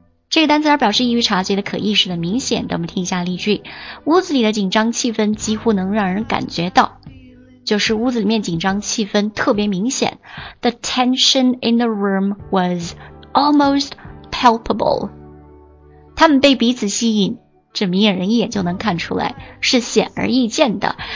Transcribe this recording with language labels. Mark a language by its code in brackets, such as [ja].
[zh] 这个单词它表示易于察觉的、可意识的、明显的。我们听一下例句：屋子里的紧张气氛几乎能让人感觉到，就是屋子里面紧张气氛特别明显。 [en] The tension in the room was almost palpable。 [zh] 他们被彼此吸引，这明眼人一眼就能看出来，是显而易见的。